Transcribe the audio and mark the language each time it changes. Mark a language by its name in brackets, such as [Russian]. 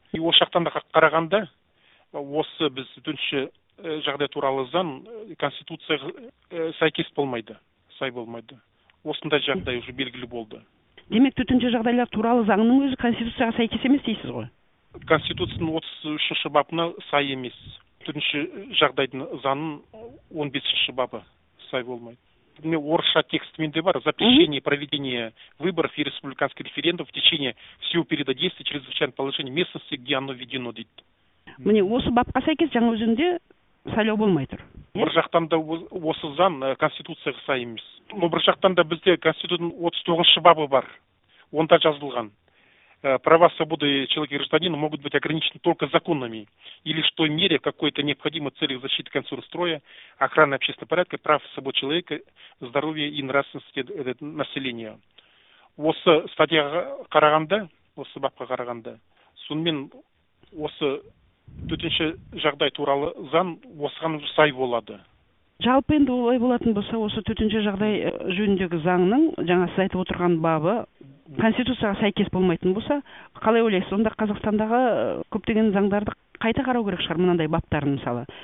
[Kazakh] И осы жақтан да қарағанда осы біз төтенше жағдай туралы заң конституцияға сәйкес болмайды, сай болмайды. Осындай жағдай уже белгілі болды. Демек, төтенше жағдайлар туралы заңның өзі конституцияға сәйкес емес дейсіз ғой? Конституцияның 33-ші бабына сай емес. Төтенше жағдайдың заңының 15-ші бабы сай болмайды. Мен орысша текст менде бар. [Russian] Запрещение проведения выборов и республиканских референдумов в течение всего периода действия чрезвычайного положения местности, где оно введено, [Kazakh] дейді. Міне, осы бабқа сәйкес жаңа жүзінде сайлау болмай тұр. Бір жақтан да осы заң конституцияға сай емес. Бір жақтан да бізде конституцияның 39-ші бабы бар. Онда жазылған. [Russian] Права, свободы человека и гражданина могут быть ограничены только законами или в той мере, какой это необходимо в целях защиты конституции, охраны общественного порядка, прав и свобод человека, здоровья и нравственности населения. [Kazakh] Осы статья қарағанда, осы бабқа қарағанда, сонымен осы төтенше жағдай туралы заң осыған сай болады. Жалпы енді олай болатын болса, осы төтенше жағдай жөніндегі заңның жаңа сіз айтып отырған бабы конституцияға сәйкес болмайтын болса, қалай ойлайсыз, онда Қазақстандағы көптеген заңдарды қайта қарау керек шығар, мынандай баптарын мысалы.